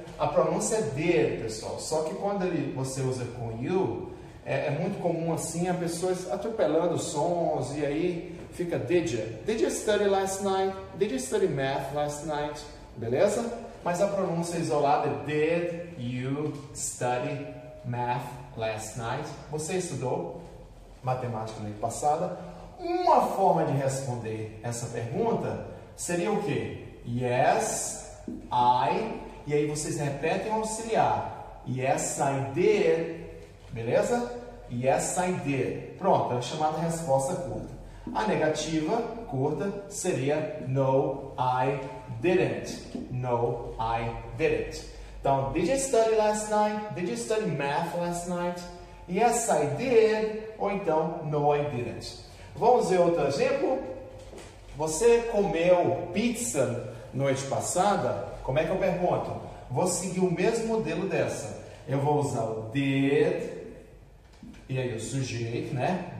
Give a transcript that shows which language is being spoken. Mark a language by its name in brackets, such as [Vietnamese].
[Portuguese] A pronúncia é did, pessoal. Só que quando você usa com you, é muito comum assim, a pessoa atropelando sons e aí fica [English] did you. Did you study last night? Did you study math last night? [Portuguese] Beleza? Mas a pronúncia isolada é [English] did you study math last night? [Portuguese] Você estudou matemática na passada? Uma forma de responder essa pergunta seria o quê? [English] Yes, I. [Portuguese] E aí vocês repetem o auxiliar. [English] Yes, I did. [Portuguese] Beleza? [English] Yes, I did. [Portuguese] Pronto, é chamada resposta curta. A negativa curta seria [English] no, I didn't. No, I didn't. Então, did you study last night? Did you study math last night? Yes, I did. Ou então, no, I didn't. [Portuguese] Vamos ver outro exemplo? Você comeu pizza noite passada? Como é que eu pergunto? Vou seguir o mesmo modelo dessa. Eu vou usar o did, e aí o sujeito, né?